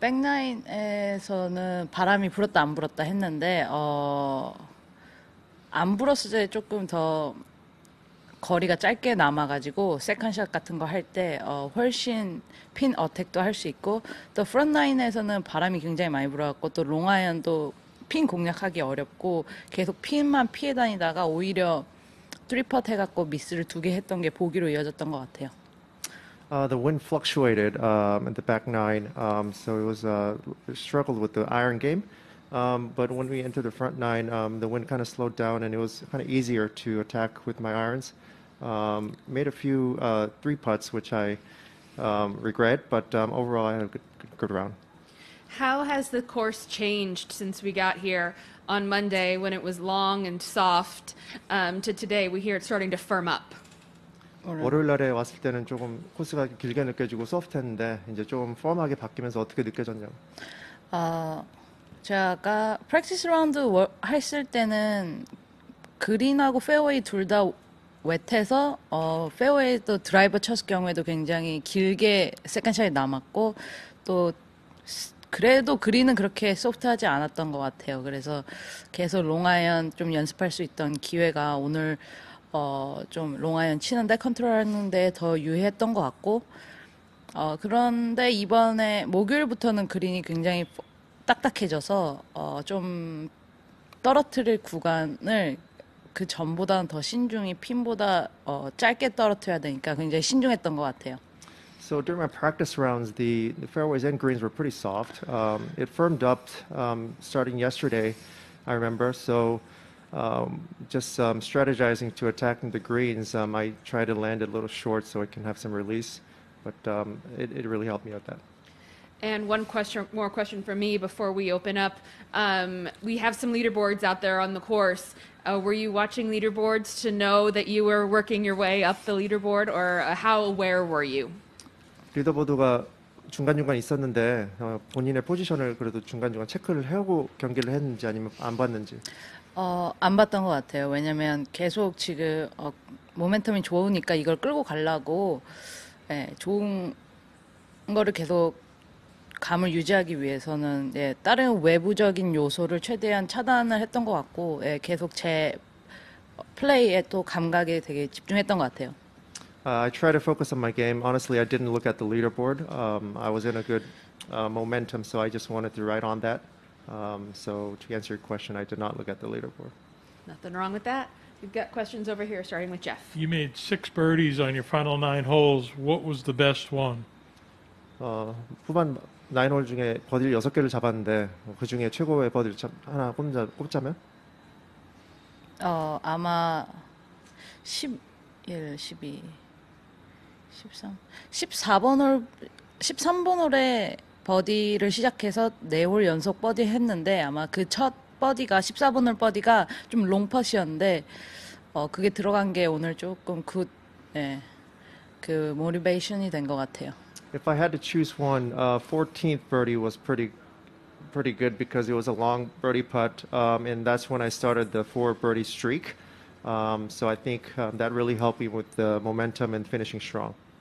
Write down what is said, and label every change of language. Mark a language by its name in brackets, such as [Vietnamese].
[Korean] 백라인에서는 바람이 불었다 안 불었다 했는데 안 불었을 때 조금 더 거리가 짧게 남아가지고 세컨샷 같은 거 할 때 훨씬 핀 어택도 할 수 있고 또 프론트라인에서는 바람이 굉장히 많이 불어갖고 또 롱아이언도 핀 공략하기 어렵고 계속 핀만 피해 다니다가 오히려 3퍼트 해갖고 미스를 두 개 했던 게 보기로 이어졌던 것 같아요. [English] The wind fluctuated at the back nine, so it was struggled with the iron game. But when we entered the front nine, the wind kind of slowed down, and it was kind of easier to attack with my irons. Made a few three putts, which I regret, but overall, I had a good round. How has the course changed since we got here on Monday when it was long and soft to today? We hear it's starting to firm up. [Korean] 월요일 날에 왔을 때는 조금 코스가 길게 느껴지고 소프트했는데 이제 좀 펌하게 바뀌면서 어떻게 느껴졌냐고. 제가 프랙티스 라운드 했을 때는 그린하고 페어웨이 둘 다 웨트해서 페어웨이도 드라이버 쳤을 경우에도 굉장히 길게 세컨샷이 남았고 또 그래도 그린은 그렇게 소프트하지 않았던 것 같아요. 그래서 계속 롱아이언 좀 연습할 수 있던 기회가 오늘 좀 롱아이언 치는데 컨트롤하는데 더 유의했던 것 같고 그런데 이번에 목요일부터는 그린이 굉장히 딱딱해져서 좀 떨어뜨릴 구간을 그 전보다는 더 신중히 핀보다 짧게 떨어뜨려야 되니까 굉장히 신중했던 것 같아요. [English] So during my practice rounds, the fairways and greens were pretty soft. It firmed up starting yesterday, I remember. So just strategizing to attack the greens, I try to land it a little short so I can have some release, but it really helped me out that. And one question, more question for me before we open up. We have some leaderboards out there on the course. Were you watching leaderboards to know that you were working your way up the leaderboard, or how aware were you? [Korean] 리더보드가 중간중간 있었는데 본인의 포지션을 그래도 중간중간 체크를 하고 경기를 했는지 아니면 안 봤는지. 안 봤던 것 같아요. 왜냐면 계속 지금 모멘텀이 좋으니까 이걸 끌고 가려고 좋은 거를 계속 감을 유지하기 위해서는 다른 외부적인 요소를 최대한 차단을 했던 것 같고 계속 제 플레이에 또 감각에 되게 집중했던 것 같아요. [English] I try to focus on my game. Honestly, I didn't look at the leaderboard. I was in a good momentum, so I just wanted to ride on that. So to answer your question, I did not look at the leaderboard. Nothing wrong with that. We've got questions over here, starting with Jeff. You made six birdies on your final nine holes. What was the best one? [Korean] 후반 nine 홀 중에 버디 여섯 개를 잡았는데 그 중에 최고의 버디를 하나 꼽자면? 아마 11, 12, 13, 13번 홀에 버디를 시작해서 네 홀 연속 버디 했는데 아마 그 첫 버디가 14번 홀 버디가 좀 롱퍼시였는데 그게 들어간 게 오늘 조금 굿 그 모티베이션이 된 것 같아요. [English] If I had to choose one, 14th birdie was pretty good because it was a long birdie putt, and that's when I started the four birdie streak. So I think that really helped me with the momentum and finishing strong.